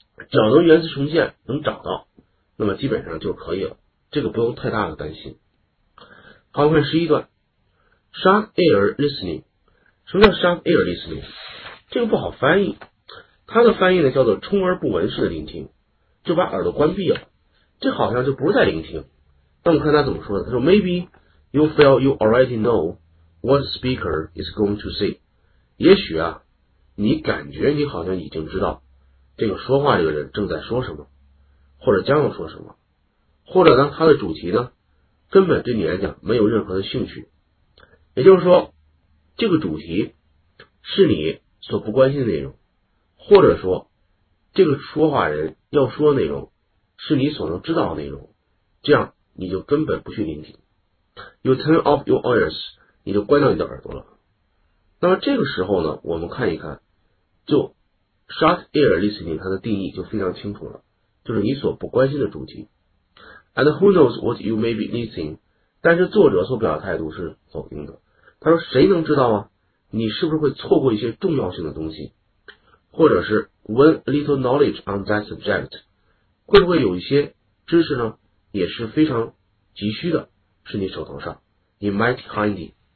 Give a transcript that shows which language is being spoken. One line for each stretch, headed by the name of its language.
Chinese: 只要能原词重现能找到，那么基本上就可以了，这个不用太大的担心。好，看十一段 ，sharp ear listening。什么叫 sharp ear listening？这个不好翻译，它的翻译呢叫做充耳不闻式的聆听，就把耳朵关闭了，这好像就不是在聆听。那我们看他怎么说的，他说
English: maybe you feel you already know what the speaker is going to say。
Chinese: 也许啊，你感觉你好像已经知道这个说话这个人正在说什么，或者将要说什么，或者呢他的主题呢？根本对你来讲没有任何的兴趣，也就是说这个主题是你所不关心的内容，或者说这个说话人要说的内容是你所能知道的内容，这样你就根本不去聆听。
English: You turn off your ears，
Chinese: 你就关掉你的耳朵了。那么这个时候呢，我们看一看，就 short ear listening 它的定义就非常清楚了，就是你所不关心的主题。
English: And who knows what you may be listening?
Chinese: 但是作者所表达态度是否定的。他说谁能知道啊，你是不是会错过一些重要性的东西，或者是
English: when little knowledge on that subject,
Chinese: 会不会有一些知识呢也是非常急需的，是你手头上 ,
English: it might be handy.